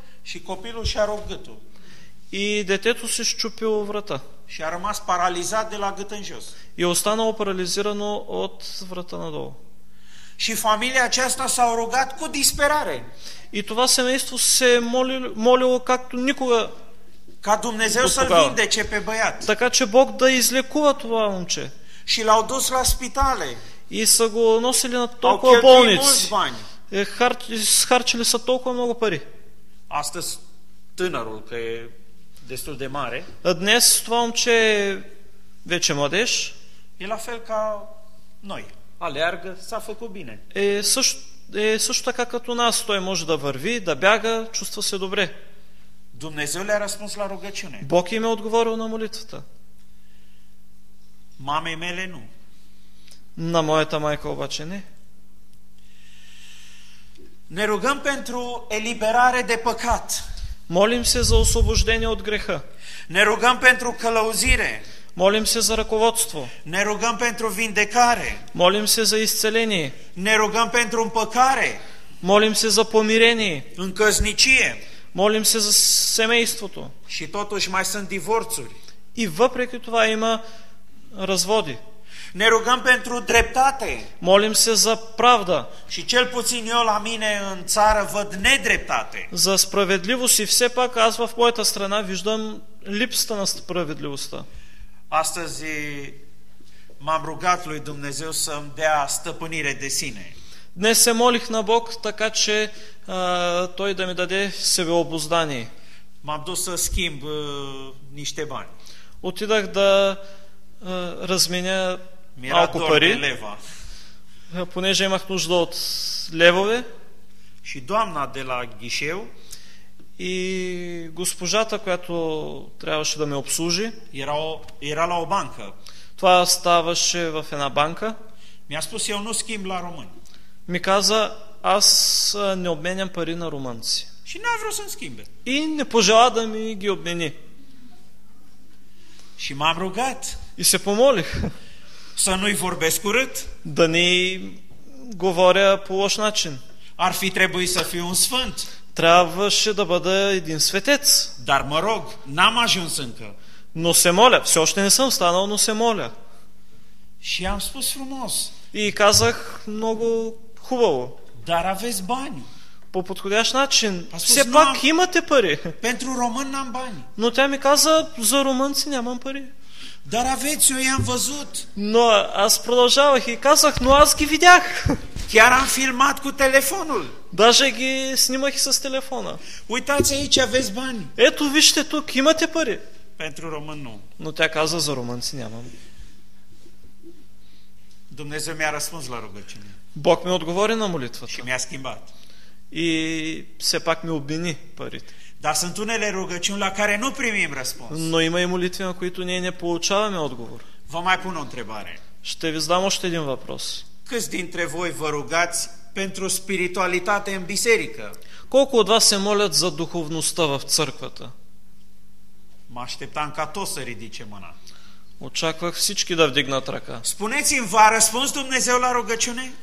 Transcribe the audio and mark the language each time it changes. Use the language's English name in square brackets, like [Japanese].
[Romanian] și copilul și-a rupt gâtul. [Bulgarian] И детето се щупило врата. [Romanian] Și a rămas paralizat de la gât în jos. [Bulgarian] И останало парализирано от врата надолу. [Romanian] Și familia aceasta s-a rugat cu disperare. [Bulgarian] И това семейство се молило както никога. [Romanian] Ca Dumnezeu să-l vindece pe băiat. [Bulgarian] Така че Бог да излекува това момче. [Romanian] Și l-au dus la spitale. [Bulgarian] И са го носили на толкова болници. [Romanian] Au cheltuit mulți bani. [Bulgarian] Схарчили са толкова много пари. [Romanian] Astăzi tânărul, că e destul de mare. [Bulgarian] Днес това момче е вече младеж. [Romanian] E la fel ca noi. Алергът, са факу бине. [Bulgarian] Също така като нас, той може да върви, да бяга, чувства се добре. [Romanian] Dumnezeu le-a răspuns la rugăciune. [Bulgarian] Бог им е отговорил на молитвата. [Romanian] Маме мене не. [Bulgarian] На моята майка обаче не. [Romanian] Ne rugăm pentru eliberare de păcat. [Bulgarian] Молим се за освобождение от греха. [Romanian] Ne rugăm pentru călăuzire. [Bulgarian] Молим се за ръководство. [Romanian] Ne rugăm pentru vindecare. [Bulgarian] Молим се за изцеление. [Romanian] Ne rugăm pentru împăcare. [Bulgarian] Молим се за помирение. [Romanian] În căsnicie. [Bulgarian] Молим се за семейството. [Romanian] Și totuși mai sunt divorțuri. [Bulgarian] И въпреки това има разводи. [Romanian] Ne rugăm pentru dreptate. [Bulgarian] Молим се за правда. [Romanian] Și cel puțin eu la mine în țară văd nedreptate. [Bulgarian] За справедливост и все пак аз в моята страна виждам липсата на справедливостта. [Romanian] Astăzi m-am rugat lui Dumnezeu să-mi dea stăpânire de sine. [Bulgarian] Днес се молих на Бог, така че той да ми даде себеобуздание. [Romanian] M-am dus să schimb niște bani. [Bulgarian] Отидах да разменя малко пари. [Romanian] De leva. [Bulgarian] Понеже имах нужда от левове. [Romanian] Și doamna de la ghișeu. [Bulgarian] И госпожата, която трябваше да ме обслужи, [Romanian] era la o bancă. [Bulgarian] Това ставаше в една банка. [Romanian] Mi-a spus, eu nu schimb la români. [Bulgarian] Ми каза, аз не обменям пари на румънци. [Romanian] Și n-a vrut să-mi schimbe. [Bulgarian] И не пожела да ми ги обмени. [Romanian] Și m-am rugat. [Bulgarian] И се помолих. [Romanian] Să nu-i vorbesc urât. [Bulgarian] Да не говоря по лош начин. [Romanian] Ar fi trebuit să fiu un sfânt. [Bulgarian] Трябваше да бъда един светец. [Romanian] Dar mă rog, n-am ajuns încă. [Bulgarian] Но се моля, все още не съм станал, но се моля. [Romanian] Și am spus frumos. [Bulgarian] И казах много хубаво. [Romanian] Dar aveți bani. [Bulgarian] По подходящ начин. Все пак имате пари. [Romanian] Pentru român n-am bani. [Bulgarian] Но тя ми каза, за румънци нямам пари. [Romanian] Dar aveți, eu i-am văzut. [Bulgarian] Но аз продължавах и казах, но аз ги видях. [Romanian] Chiar am filmat cu telefonul. [Bulgarian] Даже ги снимах и с телефона. [Romanian] Uitați aici, aveți bani. [Bulgarian] Ето, вижте тук, имате пари. [Romanian] Pentru român nu. [Bulgarian] Но тя каза, за румънци нямам. [Romanian] Dumnezeu mi-a răspuns la rugăciune. [Bulgarian] Бог ми отговори на молитвата. [Romanian] Și mi-a schimbat. [Bulgarian] И все пак ми обмени парите. [Romanian] Dar sunt unele rugăciuni la care nu primim răspuns. [Bulgarian] Но има и молитви, на които ние не получаваме отговор. [Romanian] Vă mai pun o întrebare. [Bulgarian] Ще ви задам още един въпрос. [Romanian] Câți dintre voi vă rugați pentru spiritualitate în biserică? [Bulgarian] Колко от вас се молят за духовността в църквата? [Romanian] Mă așteptam ca toți să ridice mâna. [Bulgarian] Очаквах всички да вдигнат ръка. [Romanian] Spuneți-mi, v-a răspuns Dumnezeu la rugăciune?